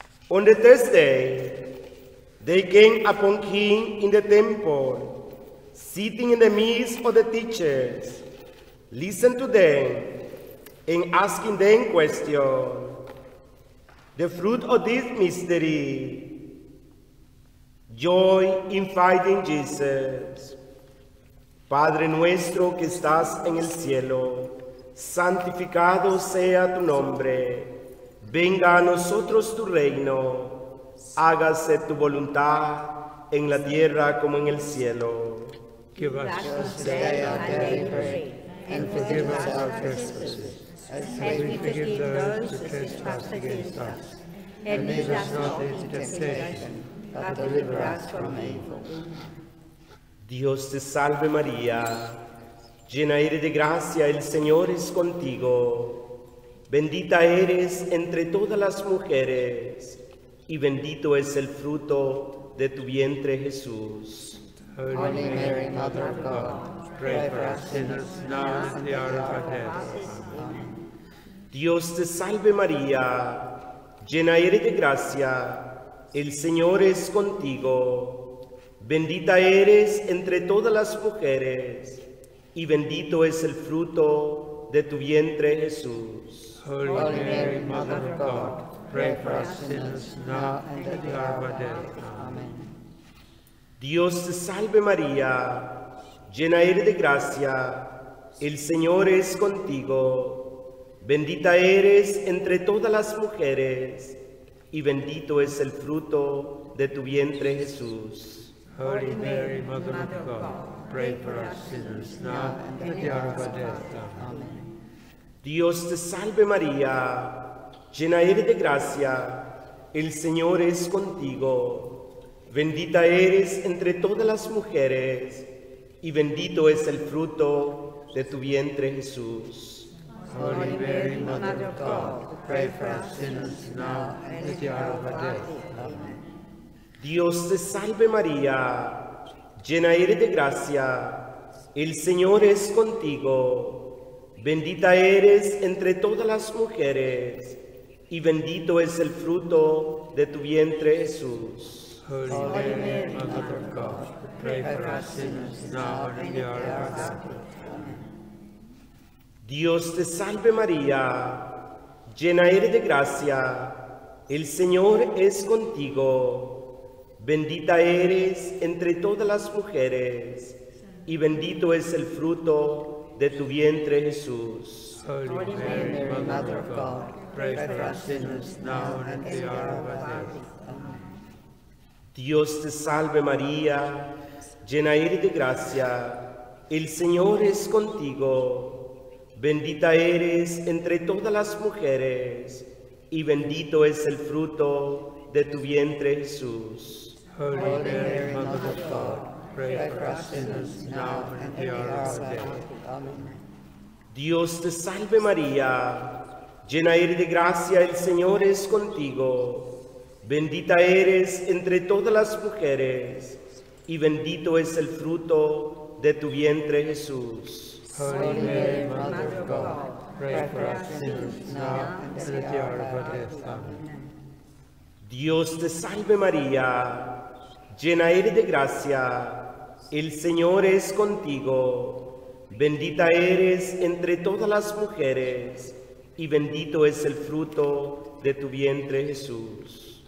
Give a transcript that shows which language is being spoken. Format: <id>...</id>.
<en>On the third day, they came upon him in the temple, sitting in the midst of the teachers, listening to them and asking them questions. The fruit of this mystery, joy in finding Jesus.</en> <es>Padre nuestro que estás en el cielo, santificado sea tu nombre, venga a nosotros tu reino, hágase tu voluntad en la tierra como en el cielo.</es> <en>Give us today our daily bread, and forgive us our trespasses, as we forgive those who trespass against us. And lead us not into temptation, but deliver us from evil.</en> <es>Dios te salve María. Llena eres de gracia, el Señor es contigo. Bendita eres entre todas las mujeres, y bendito es el fruto de tu vientre, Jesús.</es> <en>Holy Mary, Mother of God, pray for us sinners, now and at the hour of our death. Amen.</en> <es>Dios te salve, María. Llena eres de gracia, el Señor es contigo. Bendita eres entre todas las mujeres, y bendito es el fruto de tu vientre, Jesús.</es> <en>Holy Mary, Mother of God, pray for us sinners, now and at the hour of our death. Amen.</en> <es>Dios te salve, María, llena eres de gracia, el Señor es contigo. Bendita eres entre todas las mujeres, y bendito es el fruto de tu vientre, Jesús.</es> <en>Holy Mary, Mother of God, pray for us sinners, now and at the hour of our death. Amen.</en> <es>Dios te salve, María, llena eres de gracia, el Señor es contigo. Bendita eres entre todas las mujeres, y bendito es el fruto de tu vientre, Jesús.</es> <en>Holy Mary, Mother of God, pray for us sinners, now and at the hour of our death. Amen.</en> <es>Dios te salve, María, llena eres de gracia, el Señor es contigo. Bendita eres entre todas las mujeres, y bendito es el fruto de tu vientre, Jesús.</es> <en>Holy Mary, Mother of God, pray for us sinners, now and at the hour of our death. Amen.</en> <es>Dios te salve, María, llena eres de gracia, el Señor es contigo. Bendita eres entre todas las mujeres, y bendito es el fruto de tu vientre, Jesús.</es> <en>Holy Mary, Mother of God, pray for us sinners, now and at the hour of our death. Amen.</en> <es>Dios te salve María, llena eres de gracia, el Señor es contigo, bendita eres entre todas las mujeres, y bendito es el fruto de tu vientre Jesús.</es> <en>Holy Mary, Mother of God, pray for us sinners now and at the hour of our death. Amen.</en> <es>Dios te salve María, llena eres de gracia, el Señor es contigo. Bendita eres entre todas las mujeres, y bendito es el fruto de tu vientre, Jesús.</es> <en>Holy Mary, Mother of God, pray for us sinners now and at the hour of our death. Amen.</en> <es>Dios te salve María, llena eres de gracia, el Señor es contigo. Bendita eres entre todas las mujeres, y bendito es el fruto de tu vientre, Jesús.</es>